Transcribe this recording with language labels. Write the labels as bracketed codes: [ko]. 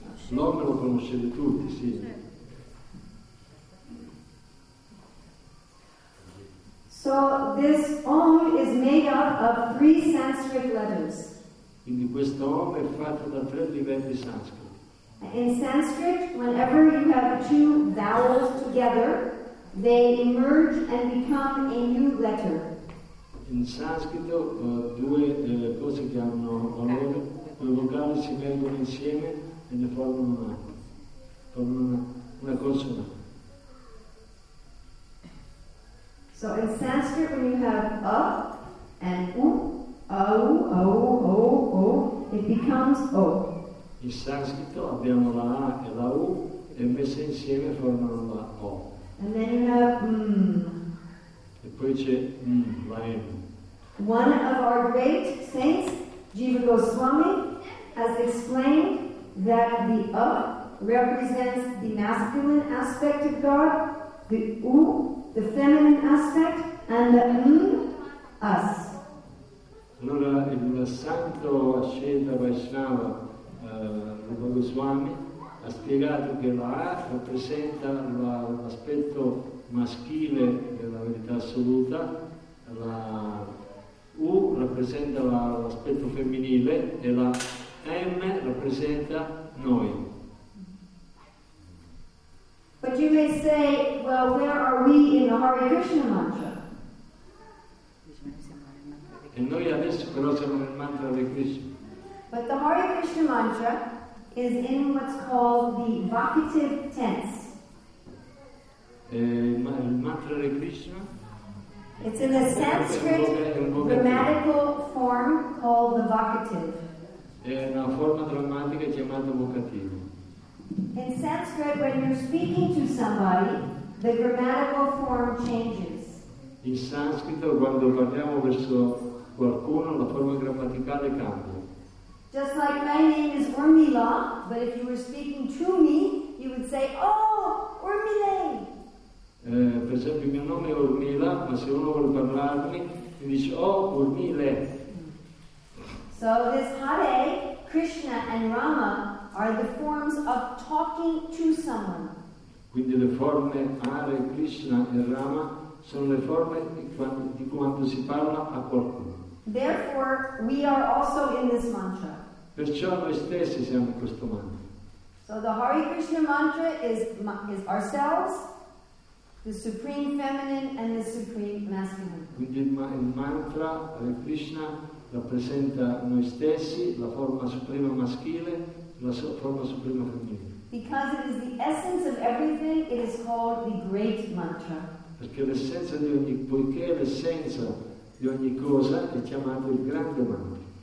[it] L'Om lo conoscete tutti, sì. [en] So this Om is made up of three Sanskrit letters. [it] Quindi questo Om è fatto da tre livelli Sanskrit. [en] In Sanskrit, whenever you have two vowels together, they emerge and become a new letter. [it] In sanscrito due cose che hanno valore, due vocali si vengono insieme e ne formano una consonante. [en] So in Sanskrit, when you have a and au, au, au, o, it becomes o. [it] In sanscrito abbiamo la a e la u e messe insieme formano la o. [en] And then you have [it] E poi c'è la m. [en] One of our great saints, Jiva Goswami, has explained that the a represents the masculine aspect of God, the u, the feminine aspect, and the us. [it] Allora il santo ascendente Vaishnava Rupa Goswami ha spiegato che la A rappresenta l'aspetto maschile della verità assoluta, la U rappresenta l'aspetto femminile e la M rappresenta noi. [en] But you may say, well, where are we in the Hare Krishna mantra? [it] E noi adesso però siamo nel mantra di Krishna. [en] But the Hare Krishna mantra is in what's called the vocative tense. [it] Il mantra di Krishna? [en] It's in the Sanskrit grammatical form called the vocative. [it] È una forma drammatica chiamata vocativa. [en] In Sanskrit, when you're speaking to somebody, the grammatical form changes. [it] In sanscrito, quando parliamo verso qualcuno, la forma grammaticale cambia. [en] Just like my name is Urmila, but if you were speaking to me, you would say, oh, Urmile! [it] Per esempio, il mio nome è Urmila, ma se uno vuole parlarmi, mi dice, oh, Urmile! [en] So this Hare, Krishna and Rama are the forms of talking to someone. [it] Quindi le forme Hare, Krishna e Rama sono le forme di quando si parla a qualcuno. [en] Therefore, we are also in this mantra. [it] Perciò noi stessi siamo in questo mantra. [en] So the Hare Krishna mantra is ourselves, the Supreme Feminine and the Supreme Masculine. [it] Quindi il mantra Hare Krishna rappresenta noi stessi, la forma suprema maschile, la forma suprema femminile. [en] Because it is the essence of everything, it is called the Great Mantra. [it] Perché l'essenza di ogni, poiché l'essenza di ogni cosa è chiamato il grande mantra.